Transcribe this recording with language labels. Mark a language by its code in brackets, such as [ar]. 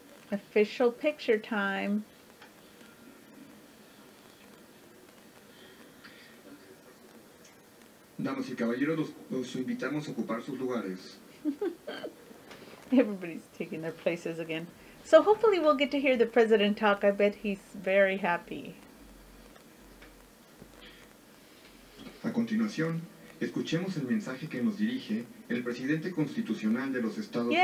[en] Official picture time. [es] Damas y caballeros, los invitamos a ocupar sus lugares. [en] Everybody's taking their places again. So hopefully we'll get to hear the president talk. I bet he's very happy. [es] A continuación, escuchemos el mensaje que nos dirige el presidente constitucional de los Estados Yay.